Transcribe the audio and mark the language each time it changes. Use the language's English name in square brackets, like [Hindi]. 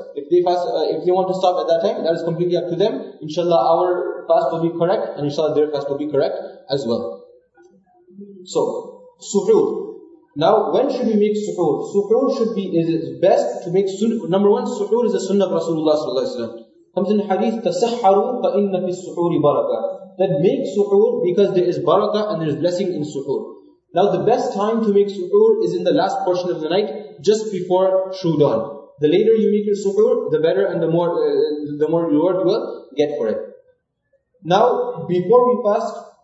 [English] If they want to stop at that time, that is completely up to them. Inshallah, our fast will be correct and inshallah, their fast will be correct as well. So, suhoor. Now, when should we make suhoor? Suhoor should be, is it best to make sunnah? Number one, suhoor is the sunnah of Rasulullah sallallahu alaihi wasallam. Comes in hadith, [Arabic] تَسَحَّرُوا فَإِنَّ فِي السُّحُورِ بَرَكَةً. [English] That make suhoor because there is barakah and there is blessing in suhoor. Now the best time to make suhoor is in the last portion of the night, just before true dawn. The later you make your suhoor, the better and the more reward you will get for it. Now, before we fast,